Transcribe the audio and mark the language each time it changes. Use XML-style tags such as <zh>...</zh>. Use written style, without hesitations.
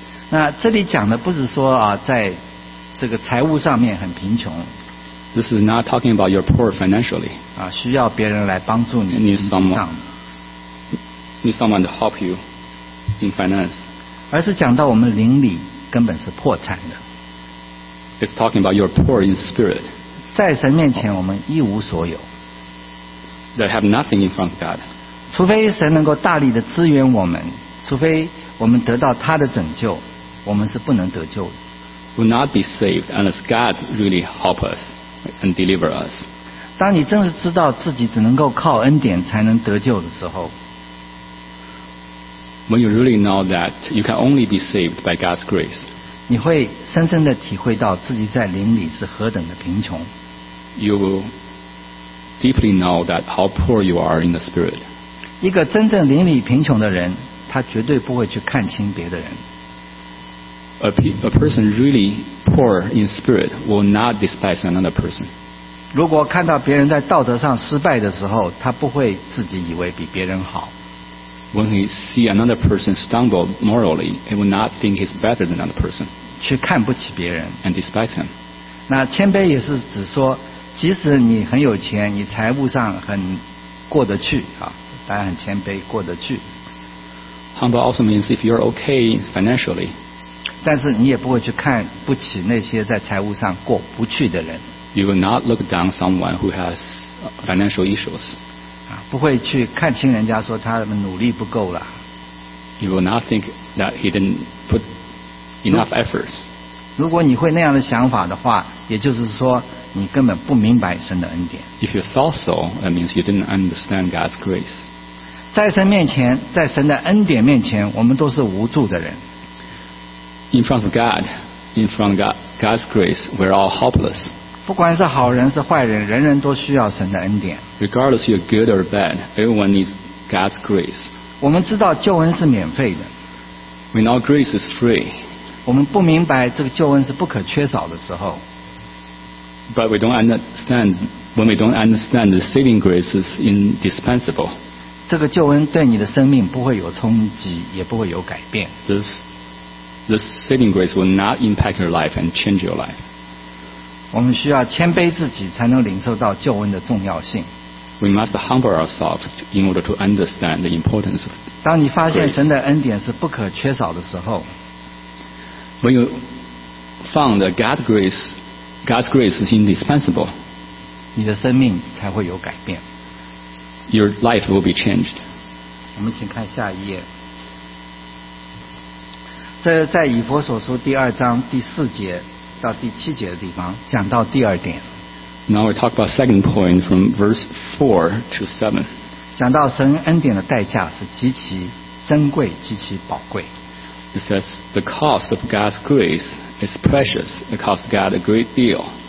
<zh>那这里讲的不是说啊，在这个财务上面很贫穷。</zh> <en>This is not talking about you're poor financially.</en> <zh>啊，需要别人来帮助你。</zh> <en>Need someone to help you in finance.</en> <zh>而是讲到我们灵里根本是破产的。</zh> <en>It's talking about you're poor in spirit.</en> <zh>在神面前我们一无所有。</zh> <en>They have nothing in front of God.</en> <zh>除非神能够大力的支援我们，除非我们得到他的拯救，我们是不能得救的。</zh> <en>Will not be saved unless God really help us and deliver us.</en> <zh>当你真是知道自己只能够靠恩典才能得救的时候，</zh> <en>When you really know that you can only be saved by God's grace,</en> <zh>你会深深地体会到自己在灵里是何等的贫穷。</zh> <en>You will deeply know that how poor you are in the spirit.</en> <zh>一个真正灵里贫穷的人，他绝对不会去看轻别的人。</zh> <en>A person really poor in spirit will not despise another person.</en> <zh>如果看到别人在道德上失败的时候，他不会自己以为比别人好。</zh> <en>When he see another person stumble morally, he will not think he's better than another person.</en> <zh>去看不起别人。</zh> <en>And despise him.</en> <zh>那谦卑也是指说，即使你很有钱，你财务上很过得去啊，大家很谦卑过得去。</zh> <en>Humble also means if you're okay financially.</en> <zh>但是你也不会去看不起那些在财务上过不去的人。</zh> <en>You will not look down someone who has financial issues.</en> <zh>啊，不会去看清人家说他努力不够了。</zh> <en>You will not think that he didn't put enough efforts.</en> <zh>如果你会那样的想法的话，也就是说你根本不明白神的恩典。</zh> <en>If you thought so, that means you didn't understand God's grace.</en> <zh>在神面前，在神的恩典面前，我们都是无助的人。</zh> <en>In front of God, in front of God's grace, we're all helpless.</en> <zh>不管是好人是坏人，人人都需要神的恩典。</zh> <en>Regardless you're good or bad, everyone needs God's grace.</en> <zh>我们知道救恩是免费的。</zh> <en>When our grace is free.</en> <zh>我们不明白这个救恩是不可缺少的时候。</zh> <en>But we don't understand when we don't understand the saving grace is indispensable.</en> <zh>这个救恩对你的生命不会有冲击，也不会有改变。</zh> <en>The saving grace will not impact your life and change your life.</en> <zh>我们需要谦卑自己才能领受到救恩的重要性。</zh> <en>We must humble ourselves in order to understand the importance of grace.</en> <zh>当你发现神的恩典是不可缺少的时候，</zh> <en>When you found that God's grace is indispensable,</en> <zh>你的生命才会有改变。</zh> <en>Your life will be changed.</en> <zh>我们请看下一页。这在以弗所书第二章第四节到第七节的地方讲到第二点。</zh> <en>Now we talk about second point from verse 4 to 7.</en> <zh>讲到神恩典的代价是极其珍贵极其宝贵。</zh> <en>It says the cost of God's grace is precious. It costs God a great deal.</en>